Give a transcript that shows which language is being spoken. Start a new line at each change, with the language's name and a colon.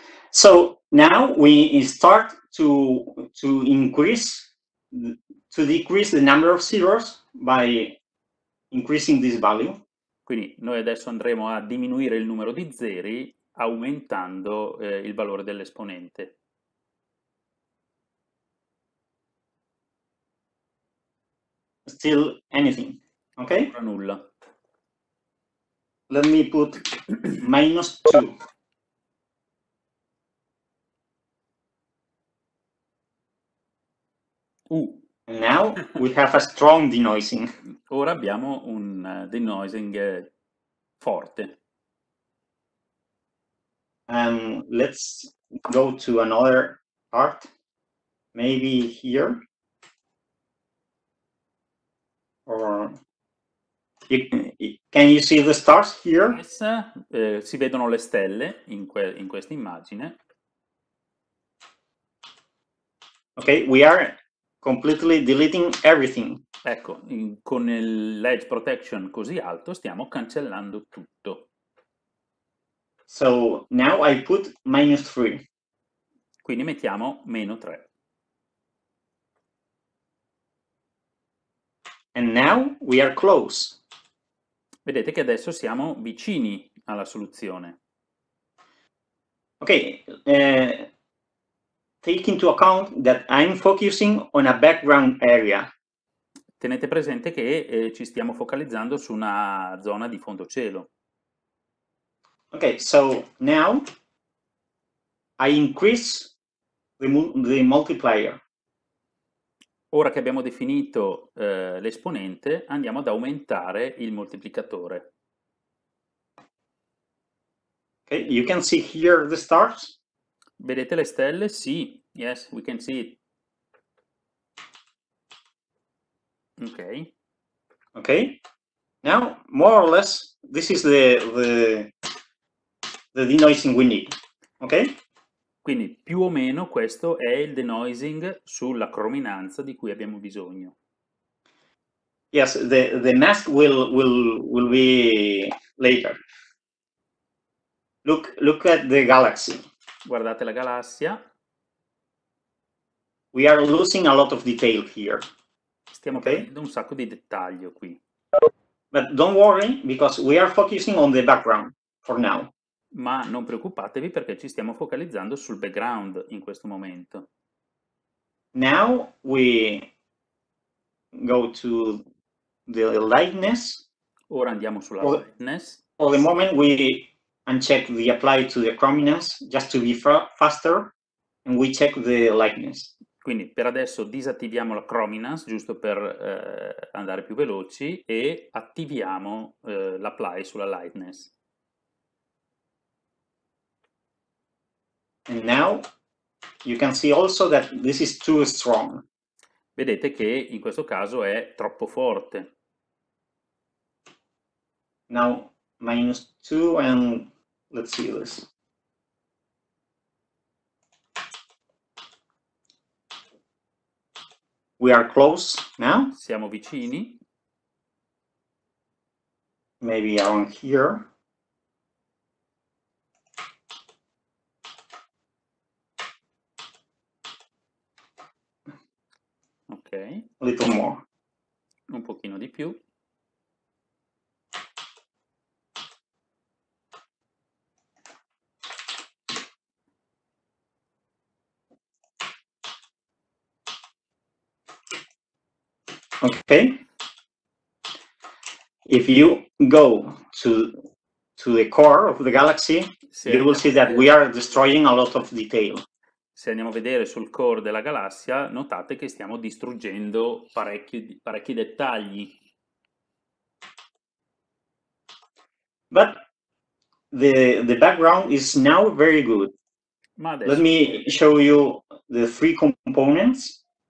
English: So now we start to decrease the number of zeros by increasing this value.
Italian: Quindi noi adesso andremo a diminuire il numero di zeri aumentando il valore dell'esponente.
English: Still anything, okay?
Italian: Ancora nulla.
English: Let me put minus two. Now we have a strong denoising.
Italian: Ora abbiamo un denoising forte.
English: Let's go to another part, maybe here, or can you see the stars here?
Italian: Yes, si vedono le stelle in questa immagine.
English: Okay, we are completely deleting everything.
Italian: Ecco, con l'edge protection così alto stiamo cancellando tutto.
English: So now I put minus three.
Italian: Quindi mettiamo meno tre.
English: And now we are close.
Italian: Vedete che adesso siamo vicini alla soluzione.
English: Okay, take into account that I'm focusing on a background area.
Italian: Tenete presente che ci stiamo focalizzando su una zona di fondo cielo.
English: Okay, so now I increase the multiplier.
Italian: Ora che abbiamo definito l'esponente, andiamo ad aumentare il moltiplicatore.
English: Okay, you can see here the stars.
Italian: Vedete le stelle? Sì,
English: yes, we can see it. Okay. Okay. Now, more or less, this is the denoising we need, okay?
Italian: Quindi più o meno questo è il denoising sulla crominanza di cui abbiamo bisogno.
English: Yes, the mask will be later. Look at the galaxy.
Italian: Guardate la galassia.
English: We are losing a lot of detail here.
Italian: stiamo prendendo un sacco di dettaglio qui.
English: But don't worry, because we are focusing on the background for now.
Italian: Ma non preoccupatevi, perché ci stiamo focalizzando sul background in questo momento.
English: Now we go to the lightness.
Italian: Ora andiamo sulla lightness.
English: For the moment we uncheck the apply to the chrominance, just to be faster, and we check the lightness.
Italian: Quindi per adesso disattiviamo la chrominance, giusto per andare più veloci, e attiviamo l'apply sulla lightness.
English: And now you can see also that this is too strong.
Italian: Vedete che in questo caso è troppo forte.
English: Now minus 2 and let's see this. We are close now.
Italian: Siamo vicini.
English: Maybe around here. Okay. A little more.
Italian: Un pochino di più.
English: Okay. If you go to the core of the galaxy, you will see that we are destroying a lot of detail.
Italian: Se andiamo a vedere sul core della galassia, notate che stiamo distruggendo parecchi dettagli.
English: But the background is now very good.
Italian: Ma adesso...
English: Let me show you the three components.